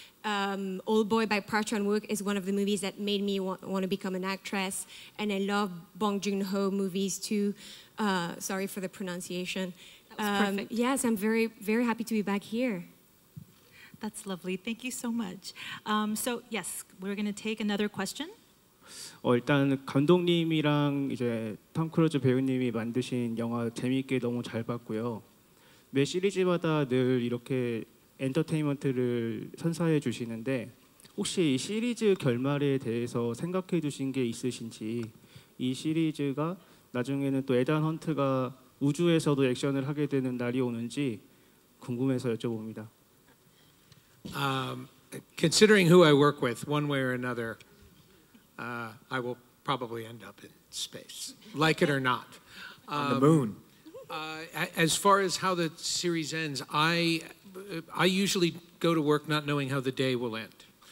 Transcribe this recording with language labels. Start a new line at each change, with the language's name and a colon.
English: Old Boy by Park Chan-wook is one of the movies that made me want to become an actress. And I love Bong Joon-ho movies too. Sorry for the pronunciation. That was perfect. Yes, I'm very, very happy to be back here. That's lovely. Thank you so much. So yes, we're going to take another question.
Korean: 일단 감독님이랑 이제 톰 크루즈 배우님이 만드신 영화 재미있게 너무 잘 봤고요. 매 시리즈마다 늘 이렇게 엔터테인먼트를 선사해 주시는데 혹시 이 시리즈 결말에 대해서 생각해 주신 게 있으신지, 이 시리즈가 나중에는 또 에단 헌트가 우주에서도 액션을 하게 되는 날이 오는지 궁금해서 여쭤봅니다.
English: Considering who I work with, one way or another, I will probably end up in space, like it or not. On the moon. As far as how the series ends, I usually go to work not knowing how the day will end.